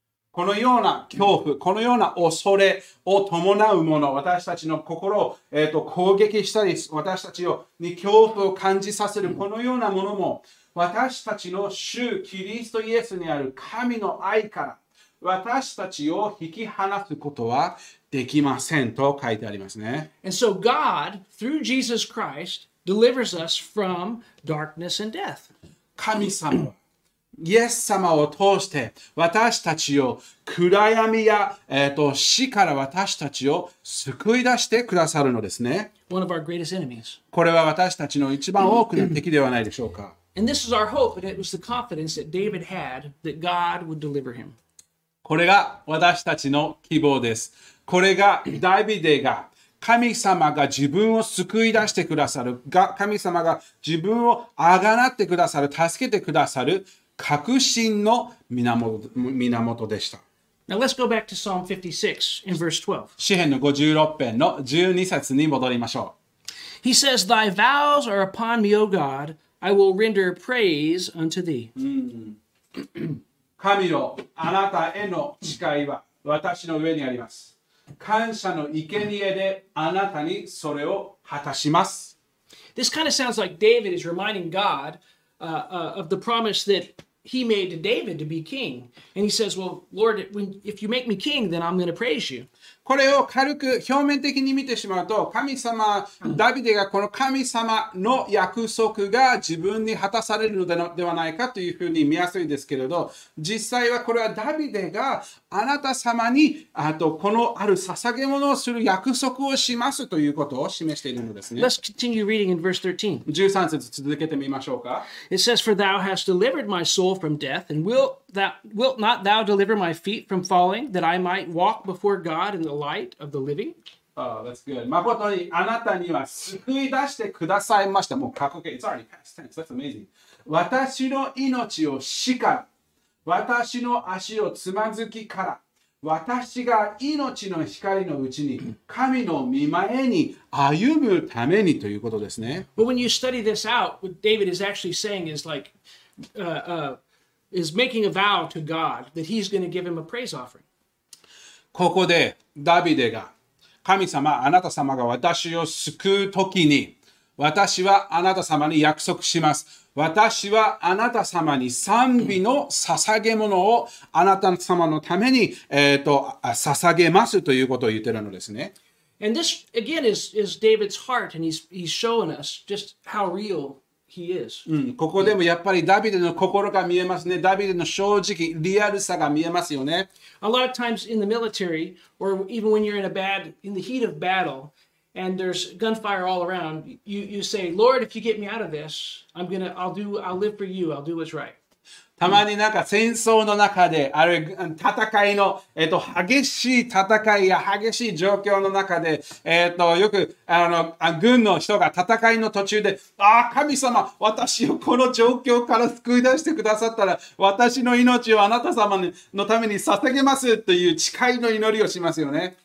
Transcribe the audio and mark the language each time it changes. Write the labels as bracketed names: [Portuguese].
[Japanese] このような恐怖、このような恐れを伴うもの、私たちの心を、攻撃したり、私たちに恐怖を感じさせる、このようなものも、私たちの主キリストイエスにある神の愛から私たちを引き離すことはできませんと書いてありますね。 [English] And so God, through Jesus Christ, delivers us from darkness and death. [Japanese] 神様、イエス様を通して私たちを暗闇や、死から私たちを救い出してくださるのですね。 [English] One of our greatest enemies. [Japanese] これは私たちの一番多くの敵ではないでしょうか。 [English] And this is our hope, and it was the confidence that David had that God would deliver him. [Japanese] これが私たちの希望です。これがダビデが神様が自分を救い出してくださる、神様が自分をあがなってくださる、助けてくださる確信の源でした。 [English] Now let's go back to Psalm 56 in verse 12. [Japanese] 詩編の56編の12節に戻りましょう。 [English] He says, Thy vows are upon me, O God. I will render praise unto thee. [Japanese] 神よ、あなたへの誓いは私の上にあります。感謝の生贄であなたにそれを果たします。 [English] This kind of sounds like David is reminding God of the promise that he made to David to be king. And he says, well, Lord, if you make me king, then I'm going to praise you. [Japanese] これを軽く表面的に見てしまうと、神様、ダビデがこの神様の約束が自分に果たされるのではないかというふうに見やすいですけれど、実際はこれはダビデがあなた様に、あとこのある捧げ物をする約束をしますということを示しているのですね。 [English] Let's continue reading in verse 13. [Japanese] 13節続けてみましょうか。 [English] It says, For thou hast delivered my soul from death, and wilt not thou deliver my feet from falling, that I might walk before God in the light of the living? Oh, that's good. [Japanese] まことにあなたには救い出してくださいました。もう過去形。 [English] It's already past tense. That's amazing. [Japanese] 私の命を死から、私の足をつまずきから、私が命の光のうちに神の御前に歩むためにということですね。 [English] But when you study this out, what David is actually saying is like, is making a vow to God that he's going to give him a praise offering. [Japanese] ここでダビデが神様、あなた様が私を救うときに私はあなた様に約束します。私はあなた様に賛美の捧げ物をあなた様のために、捧げますということを言っているのですね。 [English] And this again is David's heart and he's showing us just how real He is. [Japanese] うん、ここでもやっぱりダビデの心が見えますね。ダビデの正直、リアルさが見えますよね。 [English] A lot of times in the military, or even when you're in the heat of battle, and there's gunfire all around, you say, Lord, if you get me out of this, I'll live for you, I'll do what's right. [Japanese] たまになんか戦争の中で、あるいは戦いの、激しい戦いや激しい状況の中で、よく、軍の人が戦いの途中で、ああ、神様、私をこの状況から救い出してくださったら、私の命をあなた様のために捧げますという誓いの祈りをしますよね。